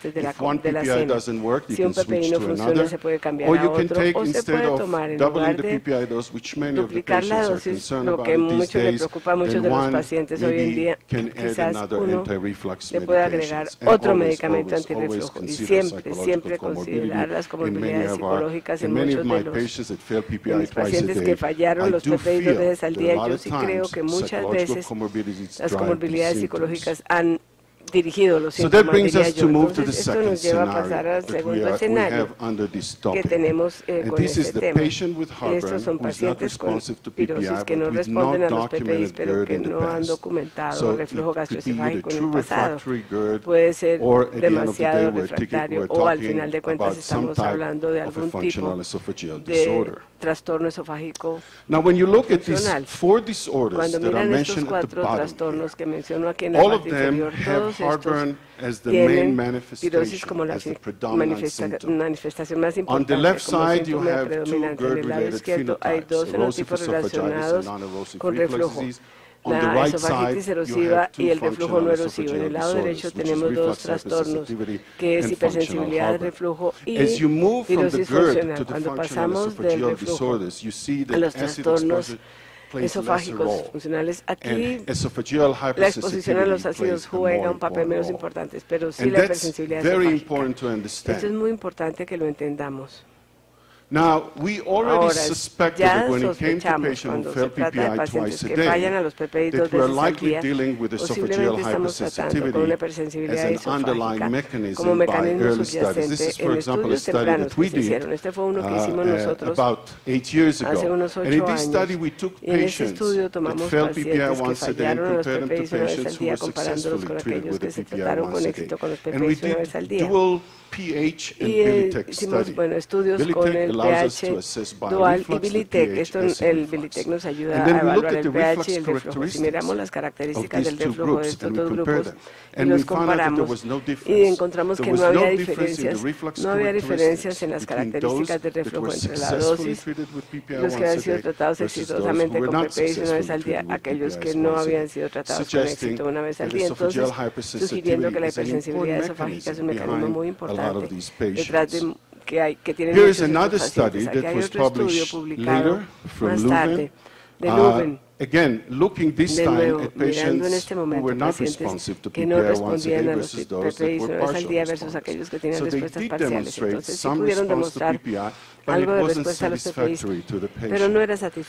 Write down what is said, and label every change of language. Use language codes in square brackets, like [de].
[en] If one PPI doesn't work, you can switch to another, or you can take, instead of doubling the PPI dose, which many of the patients are concerned about these days, then one maybe can add another anti-reflux medications, and always consider psychological comorbidity. In many of, my patients that fail PPI twice a day, [es] que fallaron los PPI dos veces al día, yo sí creo que muchas veces las comorbilidades psicológicas han dirigido los síntomas. [en] So that brings us to move to the second scenario that we have under this topic. And this is the patient with heartburn who is not responsive to PPI, with not documented GERD in the past. So it could be either true refractory GERD, or at the end of the day we're talking about some type of a functional esophageal disorder. [es] Trastorno esofágico. [en] Now, when you look at these four disorders that are mentioned at the bottom, all of them have heartburn as the main manifestation, as the predominant symptom. On the left side, you have two GERD-related phenotypes, erosive esophagitis and non-erosive reflux disease. On the right side, [es] esofagitis erosiva y el reflujo no erosivo. En el lado derecho tenemos dos trastornos, que es hipersensibilidad, reflujo y fibrosis funcional. Cuando pasamos del reflujo a los trastornos esofágicos funcionales, aquí la exposición a los ácidos juega un papel menos importante, pero sí la hipersensibilidad esofágica. Esto es muy importante que lo entendamos. [en] Now, we already suspected that when it came to patients who failed PPI twice a day, that we are likely dealing with esophageal hypersensitivity as an underlying mechanism by early studies. This is, for example, a study that we did about 8 years ago. And in this study, we took patients that failed PPI once a day and compared them to patients who were successfully treated with a PPI once a day. And we did dual pH and Bilitec study. [es] Bilitec, esto el Bilitec nos ayuda a evaluar el pH y el reflujo. Si miramos las características del reflujo de estos dos grupos y los comparamos, y encontramos que no había diferencias en las características del reflujo entre la dosis, los que habían sido tratados exitosamente con PPI una vez al día, aquellos que no habían sido tratados con éxito una vez al día. Entonces, sugiriendo que la hipersensibilidad esofágica es un mecanismo muy importante detrás de. [en] Here is another study that was published later from Leuven. Again, looking this time at patients who were not responsive to PPI once a day versus those that were partial responses. So they did demonstrate some response to PPI, but it wasn't satisfactory to the patient.